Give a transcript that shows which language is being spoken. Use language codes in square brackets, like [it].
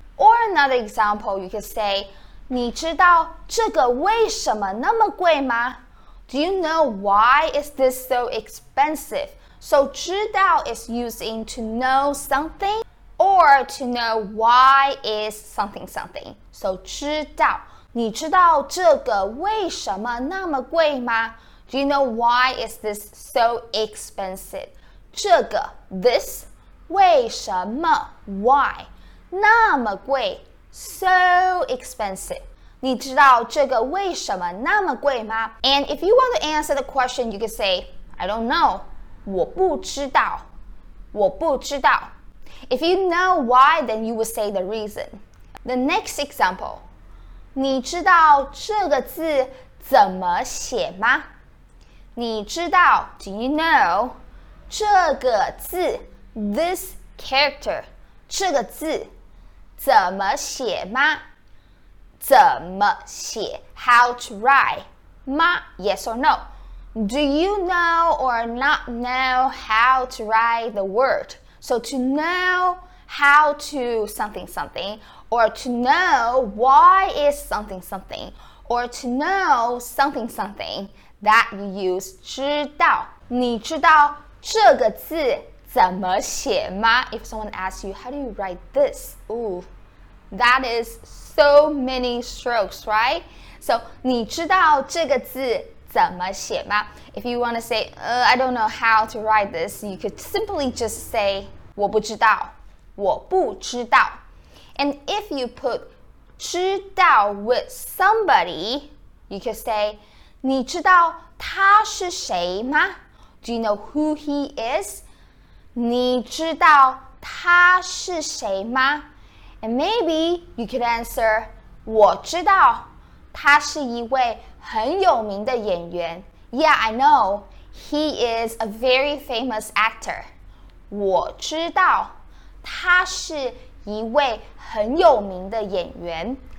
[en] Or another example, you can say, [zh] 你知道这个为什么那么贵吗? [en] Do you know why is this so expensive? So 知道 is used in to know something or to know why is something something. [zh] So 知道你知道这个为什么那么贵吗? [en] Do you know why is this so expensive? [zh] 这个 [en] this [zh] 为什么 [en] why [zh] 那么贵 [en] so expensive. [zh] 你知道这个为什么那么贵吗? [en] And if you want to answer the question, you can say, I don't know, [zh] 我不知道,我不知道。 [en] If you know why, then you will say the reason. The next example, [zh] 你知道这个字怎么写吗? 你知道, [en] do you know, [zh] 这个字, [en] this character, [zh] 这个字怎么写吗? 怎么写? [en] How to write? [zh] 吗? [en] Yes or no? Do you know or not know how to write the word? So to know how to something something, or to know why is something something, or to know something something, that you use 知道. [zh] 你知道这个字怎么写吗? [en] If someone asks you, how do you write this? Ooh. That is so many strokes, right? [zh] So, 你知道这个字怎么写吗? [en] If you want to say, I don't know how to write this, you could simply just say, [zh] 我不知道,我不知道。 [en] And if you put 知道 with somebody, you could say, [zh] 你知道他是谁吗? [en] Do you know who he is? [zh] 你知道他是谁吗? [en] And maybe you could answer, [zh] 我知道他是一位很有名的演员。 [en] Yeah, I know, he is a very famous actor. [zh] 我知道他是一位很有名的演员。